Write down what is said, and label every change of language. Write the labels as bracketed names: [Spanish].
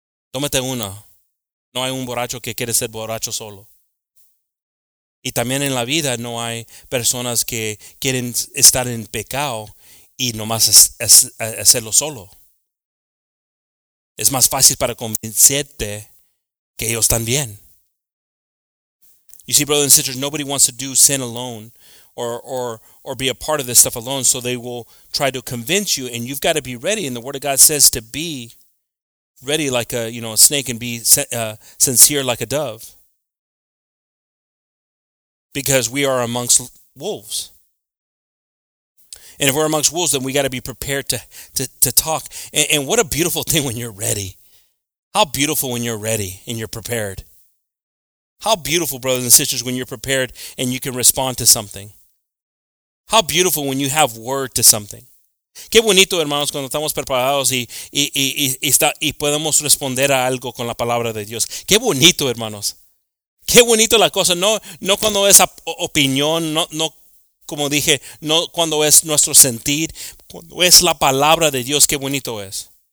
[Spanish] Tómate una. No hay un borracho que quiere ser borracho solo. Y también en la vida no hay personas que quieren estar en pecado y nomás hacerlo solo. Es más fácil para convencerte que ellos están bien. [English] You see, brothers and sisters, nobody wants to do sin alone or be a part of this stuff alone, so they will try to convince you, and you've got to be ready. And the Word of God says to be ready like a, you know, a snake, and be sincere like a dove. Because we are amongst wolves. And if we're amongst wolves, then we got to be prepared to talk. And what a beautiful thing when you're ready. How beautiful when you're ready and you're prepared. How beautiful, brothers and sisters, when you're prepared and you can respond to something. How beautiful when you have word to something. [Spanish] Qué bonito, hermanos, cuando estamos preparados y podemos responder a algo con la palabra de Dios. Qué bonito, hermanos. Qué bonito la cosa. No cuando es opinión, no como dije, no cuando es nuestro sentir. Cuando es la palabra de Dios, qué bonito es.